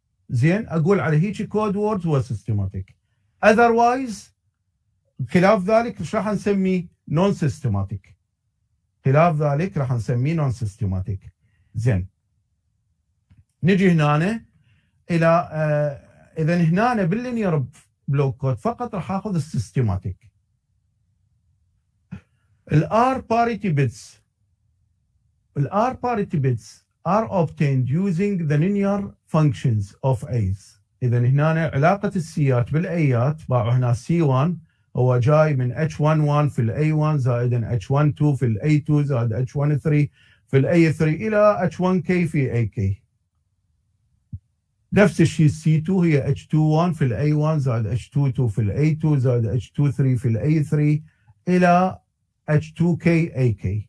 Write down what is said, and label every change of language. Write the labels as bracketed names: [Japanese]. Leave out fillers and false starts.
[Arabic] زين، اقول على هيك كود وورد هو سيستماتيك، اذروايز خلاف ذلك ايش راح نسمي؟ نون سيستماتيك. خلاف ذلك راح نسمي نون سيستماتيك. زين، نجي هنا الى اذا هنا باللينير بلوك كود فقط راح اخذ السيستماتيك. [English] الار parity bits, الار parity bits are obtained using the linear functions of A's. [Arabic] إذا هنا علاقة السيات بالأيات، باعوا هنا C1 هو جاي من H11 في الـ A1 زائد H12 في الـ A2 زائد H13 في الـ A3 إلى H1K في AK. نفس الشيء C2 هي H21 في الـ A1 زائد H22 في الـ A2 زائد H23 في الـ A3 إلى H2K AK.